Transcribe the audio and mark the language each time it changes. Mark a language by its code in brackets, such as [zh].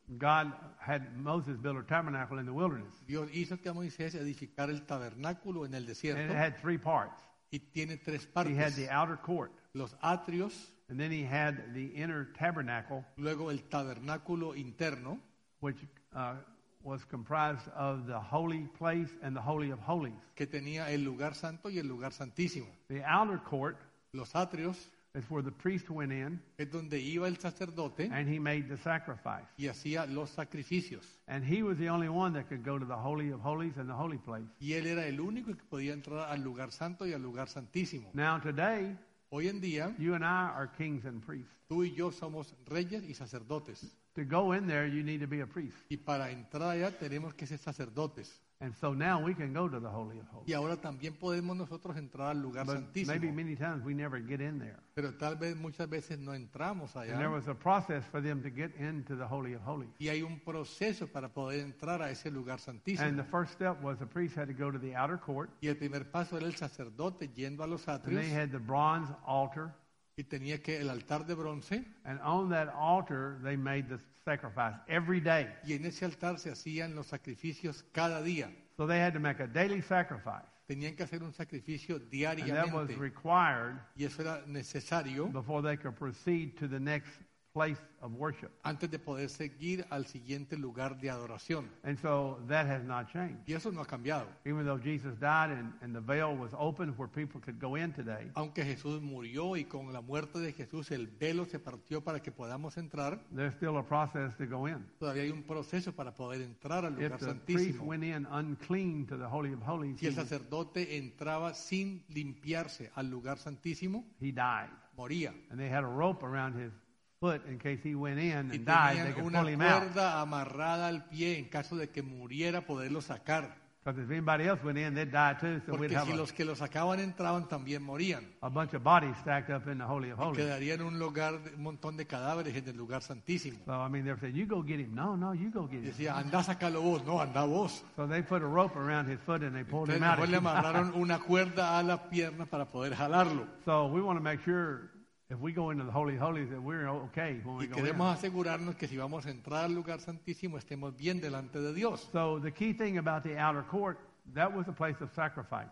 [en] God had Moses build a tabernacle in the wilderness. [es] Dios hizo que Moisés edificara el tabernáculo en el desierto. [en] And it had three parts. [es] Y tiene tres partes. [en] He had the outer court. [es] Los atrios. [en] And then he had the inner tabernacle. [es] Luego el tabernáculo interno. [en] Which was comprised of the holy place and the holy of holies. [es] Que tenía el lugar santo y el lugar santísimo. [en] The outer court. [es] Los atrios. [en] Is where the priest went in. [es] Es donde iba el sacerdote. [en] And he made the sacrifice. [es] Y hacía los sacrificios. [en] And he was the only one that could go to the holy of holies and the holy place. [es] Y él era el único que podía entrar al lugar santo y al lugar santísimo. [en] Now today. [es] Hoy en día, [en] you and I are kings and priests. [es] Tú y yo somos reyes y sacerdotes. [en] To go in there, you need to be a priest. [es] Y para entrar allá, tenemos que ser sacerdotes. [en] And so now we can go to the Holy of Holies. [es] Y ahora también podemos nosotros entrar al lugar santísimo. [en] Maybe many times we never get in there. [es] Pero tal vez muchas veces no entramos allá. [en] And there was a process for them to get into the Holy of Holies. [es] Y hay un proceso para poder entrar a ese lugar santísimo. [en] And the first step was the priest had to go to the outer court. [es] Y el primer paso era el sacerdote yendo a los atrios. [en] And they had the bronze altar. [es] Y tenía que el altar de bronce. [en] And on that altar they made the sacrifice every day. [es] Y en ese altar se hacían los sacrificios cada día. [en] So they had to make a daily sacrifice. [es] Tenían que hacer un sacrificio diariamente. [en] And that was required. [es] Y eso era necesario. [en] Before they could proceed to the next place of worship. [es] Antes de poder seguir al siguiente lugar de adoración. [en] And so that has not changed. [es] Y eso no ha cambiado. [en] Even though Jesus died and the veil was open where people could go in today. [es] Aunque Jesús murió y con la muerte de Jesús el velo se partió para que podamos entrar. [en] There's still a process to go in. [es] Todavía hay un proceso para poder entrar al lugar santísimo. [en] If the priest went in unclean to the Holy of Holies. [es] Si el sacerdote entraba sin limpiarse al lugar santísimo. [en] He died. [es] Moría. [en] And they had a rope around his foot in case he went in and died, they could pull him [es] out. Y tenían una cuerda amarrada al pie en caso de que muriera poderlo sacar. [en] Because if anybody else went in, they'd die too. So [es] porque [en] we'd have [es] si los que lo sacaban entraban también morían. [en] A bunch of bodies stacked up in the Holy of Holies. [es] Y quedarían un lugar un montón de cadáveres en el lugar santísimo. [en] So I mean, they're saying, "You go get him." No, no, you go get him. [es] Decía, "Andá sacalo vos." No, andá vos. [en] So they put a rope around his foot and they pulled him out. [es] Entonces le amarraron una cuerda a la pierna para poder jalarlo. [en] So we want to make sure. If we go into the Holy of Holies, then we're okay when we go in. [es] Y queremos asegurarnos que si vamos a entrar al lugar santísimo, estemos bien delante de Dios. [en] So the key thing about the outer court, that was a place of sacrifice.